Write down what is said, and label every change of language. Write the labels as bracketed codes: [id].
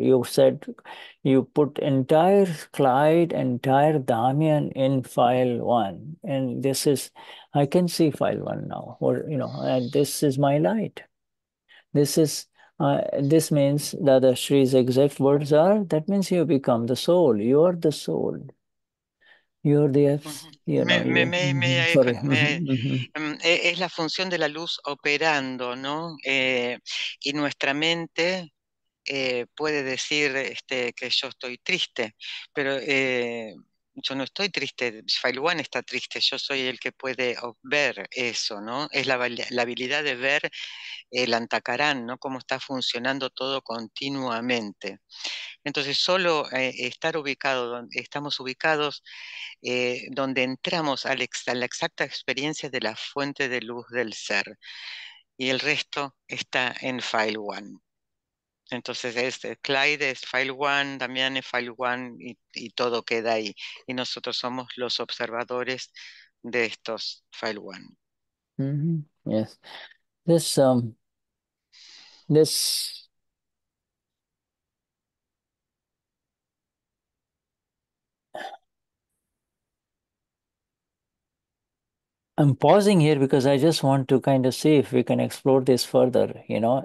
[en] You said, you put entire Clyde, entire Damien in file one. And this is, I can see file one now. Or, you know, and this is my light. This is, this means Dada Shri's exact words are, that means you become the soul. You are the soul. You're the, [es] es la función de la luz operando, ¿no? Y nuestra mente puede decir que yo estoy triste, pero yo no estoy triste, File One está triste, yo soy el que puede ver eso, ¿no? Es la habilidad de ver el antakarán, ¿no? Cómo está funcionando todo continuamente. Entonces, solo estar ubicado, donde estamos ubicados, donde entramos a la exacta experiencia de la fuente de luz del ser. Y el resto está en File One. Entonces, Clyde es File One, Damián es File One, y todo queda ahí. Y nosotros somos los observadores de estos File One. [en] Mm-hmm. Yes. This I'm pausing here because I just want to kind of see if we can explore this further, you know.